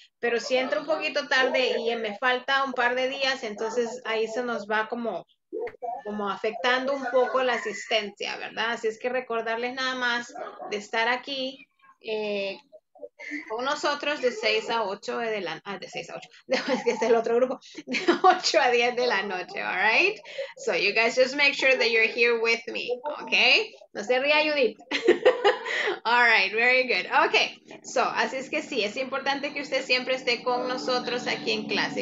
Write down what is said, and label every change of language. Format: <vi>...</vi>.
<es>Pero si entro un poquito tarde y me falta un par de días, entonces ahí se nos va como afectando un poco la asistencia, ¿verdad? Así es que recordarles nada más de estar aquí con nosotros de 6 a 8 de la noche. Ah, de 6 a 8. Es que es el otro grupo. De 8 a 10 de la noche,</es> <en>¿all right? So you guys just make sure that you're here with me, ¿ok?</en> <es>No se ría, Judith.</es> <en>All right, very good.</en> <es>Ok, so así es que sí, es importante que usted siempre esté con nosotros aquí en clase.</es>